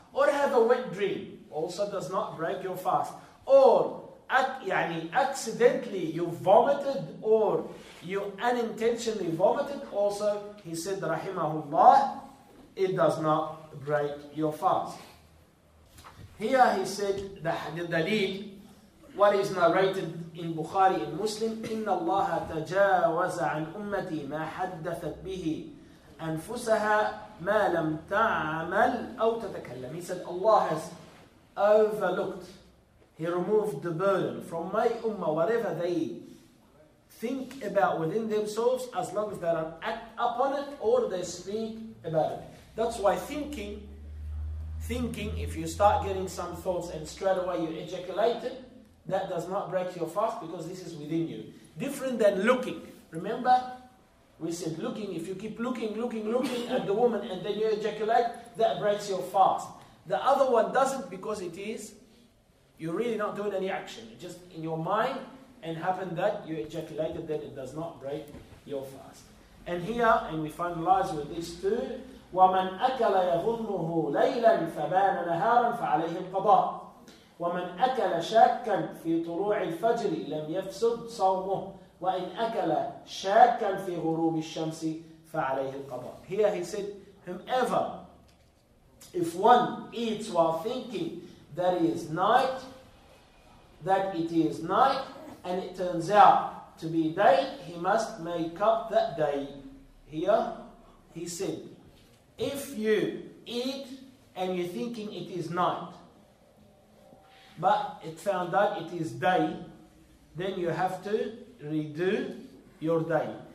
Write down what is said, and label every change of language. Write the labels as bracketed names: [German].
[English] Or have a wet dream, also does not break your fast. Or accidentally you vomited, or you unintentionally vomited, also he said, rahimahullah, it does not break your fast. Here he said, the dalil, what is narrated in Bukhari and Muslim, [Arabic] إِنَّ اللَّهَ تَجَاوَزَ عَنْ أُمَّتِي مَا حَدَّثَتْ بِهِ أَنفُسَهَا مَا لَمْ تَعْمَلْ أَوْ تَتَكَلَّمْ. [English] He said, Allah has overlooked, he removed the burden from my ummah, whatever they think about within themselves, as long as they don't act upon it or they speak about it. That's why thinking, if you start getting some thoughts and straight away you ejaculate it, that does not break your fast because this is within you. Different than looking. Remember? We said looking, if you keep looking at the woman and then you ejaculate, that breaks your fast. The other one doesn't because it is, you're really not doing any action. It's just in your mind and happened that you ejaculated, then it does not break your fast. And here, and we finalize with this too, [Arabic] وَمَنْ أَكَلَ يَظُنُّهُ لَيْلًا فَبَانَ نَهَارًا فَعَلَيْهِ الْقَضَاءُ وَمَنْ أَكَلَ شَاكًا فِي طُلُوعِ الْفَجْرِ لَمْ يَفْسُدْ صَوْمُهُ وَإِنْ أَكَلَ شَاكًا فِي غُرُوبِ الشَّمْسِ فَعَلَيْهِ الْقَضَاءُ. [English] Here he said, whomever, if one eats while thinking that it is night, that it is night, and it turns out to be day, he must make up that day. Here he said, if you eat and you're thinking it is night, but it found out it is day, then you have to redo your day.